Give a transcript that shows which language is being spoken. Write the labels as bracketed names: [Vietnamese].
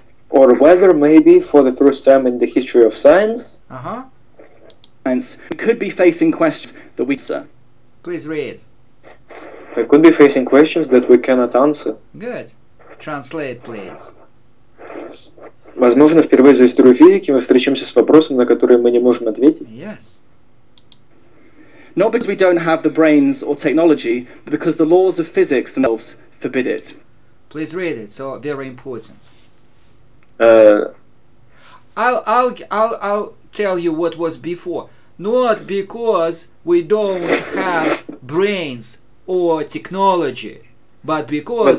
[English] Or whether maybe for the first time in the history of science, We could be facing questions that we answer. Please read. We could be facing questions that we cannot answer. Good. Translate, please. [Russian] Возможно, впервые за историю физики мы встречаемся с вопросом, на который мы не можем ответить. [English] Yes. Not because we don't have the brains or technology, but because the laws of physics themselves forbid it. Please read it. So very important. I'll tell you what was before. Not because we don't have brains or technology, but because